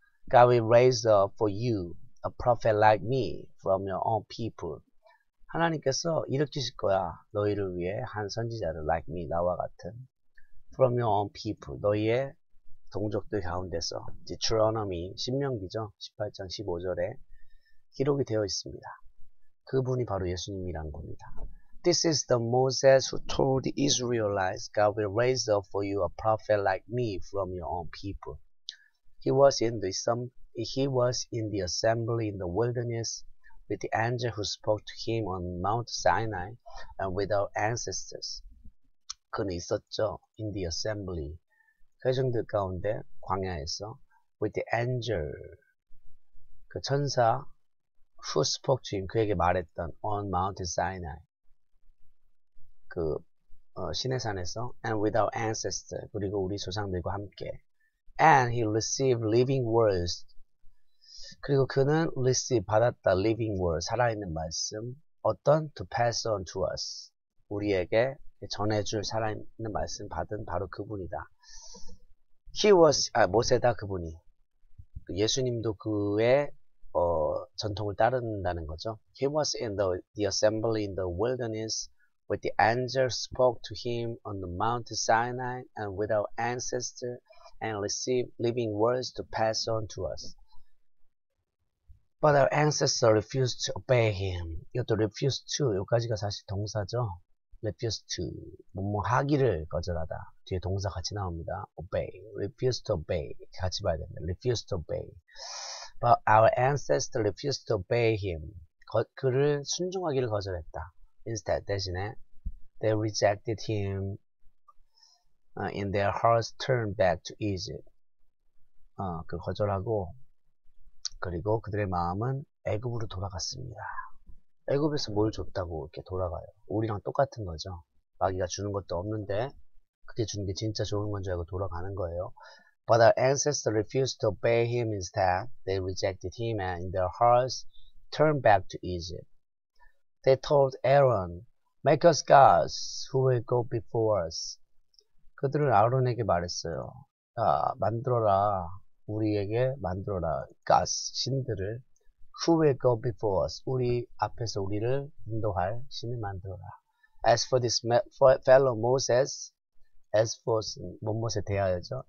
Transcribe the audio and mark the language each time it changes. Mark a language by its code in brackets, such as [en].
[en] God will raise up for you a prophet like me from your own people. [ko] 하나님께서 일으키실 거야. 너희를 위해 한 선지자를 [en] like me, [ko] 나와 같은. [en] From your own people, [ko] 너희의 동족들 가운데서. Deuteronomy, 신명기죠. 18장 15절에 기록이 되어 있습니다. 그분이 바로 예수님이란 겁니다. [en] This is the Moses who told the Israelites, God will raise up for you a prophet like me from your own people. He was in the assembly in the wilderness with the angel who spoke to him on Mount Sinai and with our ancestors. [ko] 그는 있었죠. [en] In the assembly. [ko] 회중들 가운데 광야에서 [en] with the angel. [ko] 그 천사 [en] who spoke to him. [ko] 그에게 말했던 [en] on Mount Sinai. [ko] 그 시내산에서 [en] and with our ancestors. [ko] 그리고 우리 조상들과 함께. [en] And he received living words. [ko] 그리고 그는 [en] receive [ko] 받았다, [en] living word, [ko] 살아있는 말씀. [en] 어떤? To pass on to us. [ko] 우리에게 전해줄 살아있는 말씀 받은 바로 그분이다. [en] He was, [ko] 아, 모세다, 그분이. 예수님도 그의, 전통을 따른다는 거죠. [en] He was in the assembly in the wilderness with the angel spoke to him on the Mount Sinai and with our ancestor and received living words to pass on to us. But our ancestors refused to obey him. [ko] 이것도 [en] refused to. [ko] 여기까지가 사실 동사죠. [en] Refused to. [ko] 뭐뭐 하기를 거절하다. 뒤에 동사 같이 나옵니다. [en] Obey. Refused to obey. [ko] 같이 봐야 됩니다. [en] Refused to obey. But our ancestors refused to obey him. [ko] 그를 순종하기를 거절했다. [en] Instead, [ko] 대신에 [en] they rejected him in their hearts turned back to Egypt. [ko] 그 거절하고 그리고 그들의 마음은 애굽으로 돌아갔습니다. 애굽에서 뭘 줬다고 이렇게 돌아가요. 우리랑 똑같은 거죠. 마귀가 주는 것도 없는데 그게 주는 게 진짜 좋은 건 줄 알고 돌아가는 거예요. [en] But our ancestors refused to obey him instead. They rejected him and in their hearts turned back to Egypt. They told Aaron, make us gods who will go before us. [ko] 그들은 아론에게 말했어요. 야, 만들어라. 우리에게 만들어라. [en] God, [ko] 신들을. [en] Who will go before us? [ko] 우리 앞에서 우리를 인도할 신을 만들어라. [en] As for this fellow Moses, as for, [ko] 못못에 대하여죠.